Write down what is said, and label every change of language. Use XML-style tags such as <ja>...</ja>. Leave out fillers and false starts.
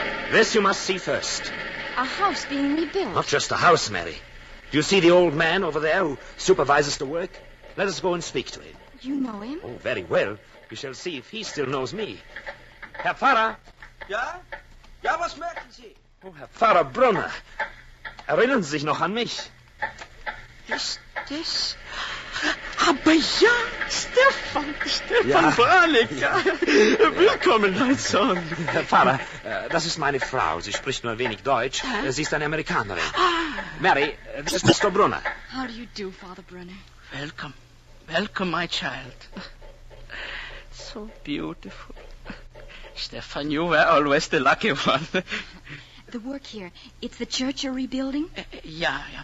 <en>This you must see first. A house being rebuilt. Not just a house, Mary. Do you see the old man over there who supervises the work? Let us go and speak to him. You know him? Oh, very well. We shall see if he still knows me.</en> <de>Herr Pfarrer? Ja? Ja, was merken Sie? Oh, Herr Pfarrer Brunner. Erinnern Sie sich noch an mich? Ist das... Aber ja, Stefan ja. Branek. Ja. Willkommen, mein Sohn. Herr Pfarrer, das ist meine Frau. Sie spricht nur ein wenig Deutsch. Hä? Sie ist eine Amerikanerin. Ah. Mary, das ist Mr. Brunner.</de> <en>How do you do, Father Brunner? Welcome. Welcome, my child. So beautiful. Stefan, you were always the lucky one. The work here, it's the church you're rebuilding? Yeah.</en>